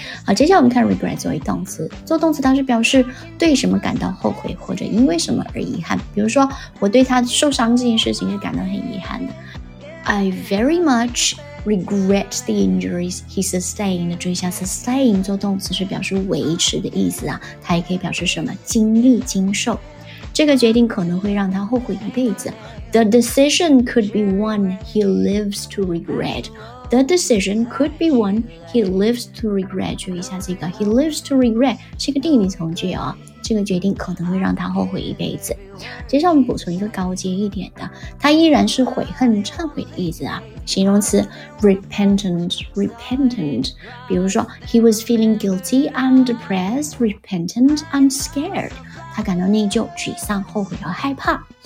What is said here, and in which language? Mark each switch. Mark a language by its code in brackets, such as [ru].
[zh] 好，接下来我们看 regret 作为动词，做动词它是表示对什么感到后悔或者因为什么而遗憾。比如说，我对他受伤这件事情是感到很遗憾的。 [en] I very much regret the injuries he sustained. [zh] 注意一下 sustain 做动词是表示维持的意思啊，它也可以表示什么经历经受。这个决定可能会让他后悔一辈子。 [en] The decision could be one he lives to regret. The decision could be one he lives to regret. [zh] 注意一下这个 [en] he lives to regret [zh] 是一个定语从句啊。这个决定可能会让他后悔一辈子。接下来我们补充一个高阶一点的，它依然是悔恨、忏悔的意思啊。形容词 [en] repentant， [zh] 比如说 [en] he was feeling guilty and depressed, repentant and scared， [zh] 他感到内疚、沮丧、后悔和害怕。